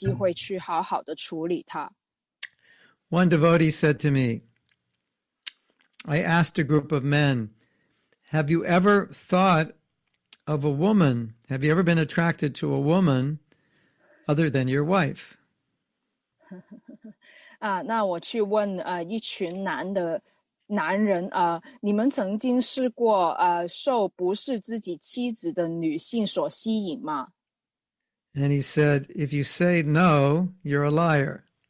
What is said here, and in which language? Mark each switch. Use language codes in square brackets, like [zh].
[zh] 所以有时候我们会压抑一些不是Krishna自觉的感觉，所以因为我们把它收藏得很好，所以我们就没有机会去好好的处理它。 [en] One devotee said to me, I asked a group of men, have you ever thought of a woman, have you ever been attracted to a woman other than your wife? [zh] 那我去问一群男人，你们曾经试过受不是自己妻子的女性所吸引吗？ [en] And he said, if you say no, you're a liar.